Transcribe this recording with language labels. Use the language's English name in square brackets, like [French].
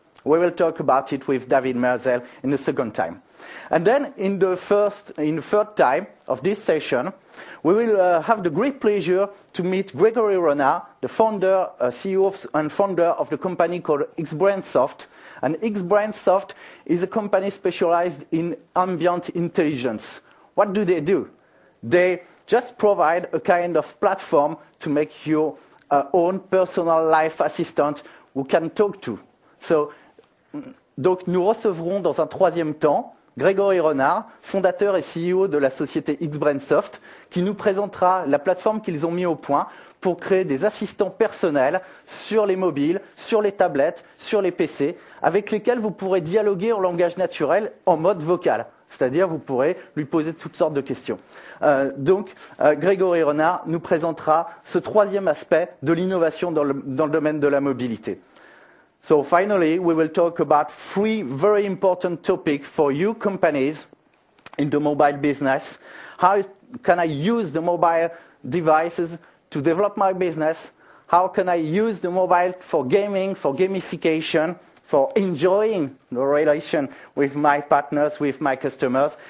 [English] We will talk about it with David Merzel in the second time. And then in the third time of this session, we will have the great pleasure to meet Gregory Rona, the founder, CEO and founder of the company called XBrainsoft. And XBrainsoft is a company specialized in ambient intelligence. What do they do? They just provide a kind of platform to make your own personal life assistant who can talk to. [French] So, donc, nous recevrons dans un troisième temps Grégory Renard, fondateur et CEO de la société XBrainsoft, qui nous présentera la plateforme qu'ils ont mis au point pour créer des assistants personnels sur les mobiles, sur les tablettes, sur les PC, avec lesquels vous pourrez dialoguer en langage naturel en mode vocal. C'est-à-dire, vous pourrez lui poser toutes sortes de questions. Grégory Renard nous présentera ce troisième aspect de l'innovation dans le domaine de la mobilité. [English] So finally, we will talk about three very important topics for you companies in the mobile business. How can I use the mobile devices to develop my business? How can I use the mobile for gaming, for gamification, for enjoying the relation with my partners, with my customers?